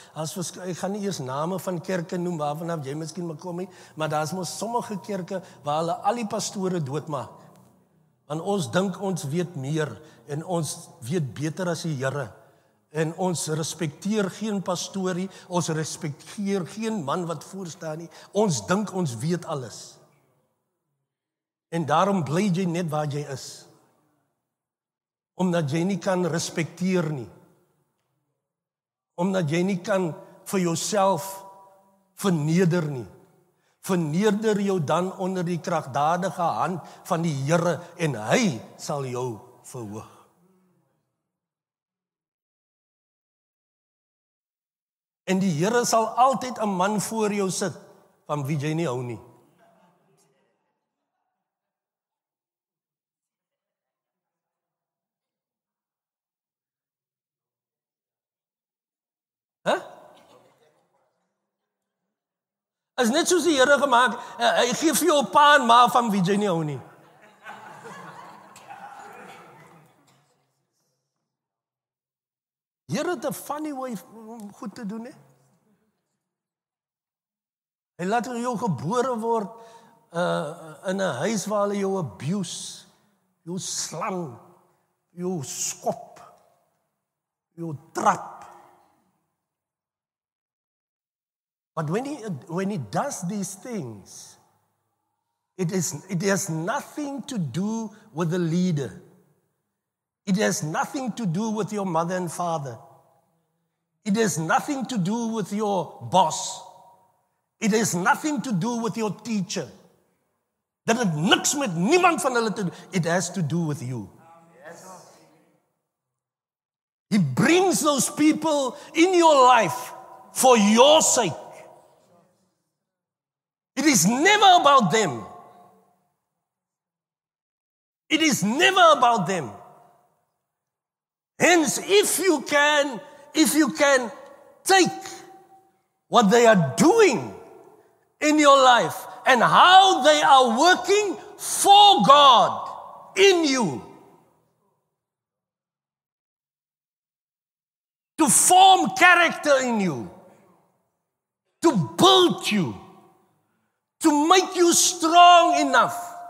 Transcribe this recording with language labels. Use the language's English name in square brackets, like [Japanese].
[Afrikaans] Ek gaan nie eers name van kerke noem waarvan af jy miskien mag kom nie, maar daar is mos sommige kerke waar hulle al die pastore doodmaak. Want ons dink ons weet meer en ons weet beter as die Here. En ons respekteer geen pastorie, ons respekteer geen man wat voor staan nie. Ons dink ons weet alles. En daarom bly jy net waar jy is. Omdat jy nie kan respekteer nie. Omdat jy nie kan vir jouself verneder nie. Verneder jou dan onder die kragdadige hand van die Here en hy sal jou verhoog. En die Here sal altyd 'n man voor jou sit van wie jy nie hou nie. Is net soos die Here gemaak, hy gee vir jou pa en ma van wie jy nie hou nie. Here het [English] a funny way [Afrikaans] om goed te doen, he. Hy laat jou gebore word in 'n huis waar hy jou abuse, jou slang, jou skop, jou trap. [English] But when he does these things, it has nothing to do with the leader. It has nothing to do with your mother and father. It has nothing to do with your boss. It has nothing to do with your teacher. [Afrikaans] Dat het niks met niemand van hulle te doen. [English] It has to do with you. He brings those people in your life for your sake. It is never about them. It is never about them. Hence, if you can take what they are doing in your life and how they are working for God in you to form character in you, to build you, to make you strong enough.